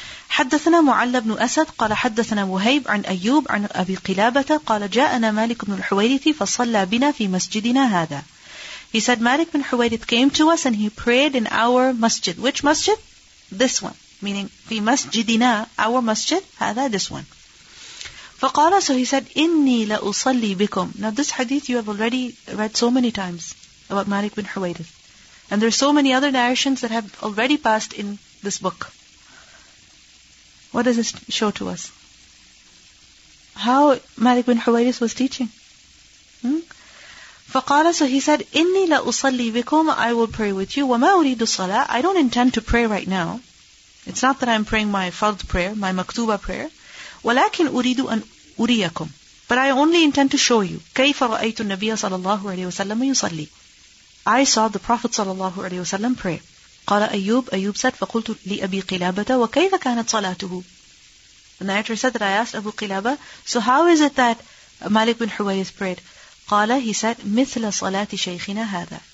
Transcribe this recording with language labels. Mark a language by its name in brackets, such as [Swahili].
[Arabic] حدثنا معل بن أسد قال حدثنا مهيب عن أيوب عن أبي قلابة قال جاءنا مالك بن الحويرث فصلى بنا في مسجدنا هذا. [English] He said, Malik bin Huwaydith came to us and he prayed in our masjid. Which masjid? This one. Meaning, [Arabic] في مسجدنا, [English] our masjid, [Arabic] هذا, [English] this one. [Arabic] فقال, [English] so he said, [Arabic] إني لأصلي بكم. [English] Now this hadith you have already read so many times about Malik bin Huwaydith. And there are so many other narrations that have already passed in this book. What does this show to us? How Malik bin Huwaydith was teaching. [Arabic] فقال, [English] so he said, [Arabic] إني لأصلي بكم, [English] I will pray with you. [Arabic] وما أريد الصلاة, [English] I don't intend to pray right now. It's not that I'm praying my fard prayer, my maktuba prayer. [Arabic] ولكن أريد أن أريكم. [English] But I only intend to show you. [Arabic] كيف رأيت النبي صلى الله عليه وسلم يصلي. [English] I saw the Prophet [Arabic] صلى الله عليه وسلم [English] pray. [Arabic] قال أيوب. أيوب said, فقلت لأبي قلابة وكيف كانت صلاته. [English] The narrator said that I asked Abu Qilaba, so how is it that Malik bin Huwayth prayed? [Arabic] Qala, [English] he said, [Arabic] مثل صلاة شيخنا هذا.